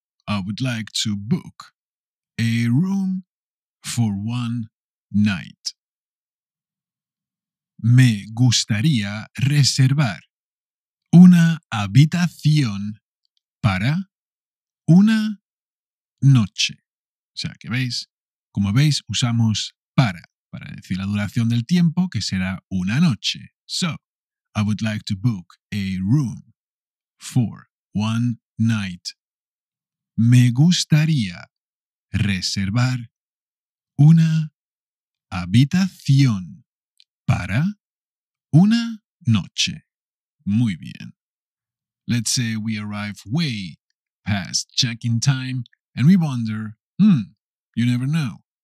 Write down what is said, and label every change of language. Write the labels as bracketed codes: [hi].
[en] I would like to book a room for one night. [es] Me gustaría reservar una habitación para una noche. O sea, que veis, como veis, usamos para decir la duración del tiempo, que será una noche. [en] So, I would like to book a room for one night. [es] Me gustaría reservar una habitación para una noche. Muy bien. [en] Let's say we arrive way past check-in time and we wonder, you never know.